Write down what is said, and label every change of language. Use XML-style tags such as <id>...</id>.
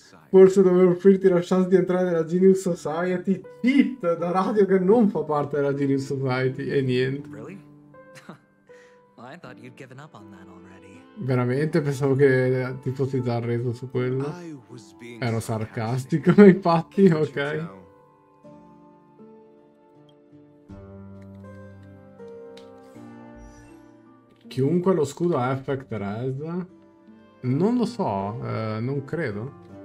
<it>Forse dovevo offrirti la chance di entrare nella Genius Society. Tit da radio che non fa parte della Genius Society e niente.</it> <en>Really? I thought you'd given up on that already.</en> <it>Veramente pensavo che ti fossi già arreso su quello. Ero sarcastico, infatti, ok. Chiunque lo scudo ha effect res? Non lo so, non credo.</it>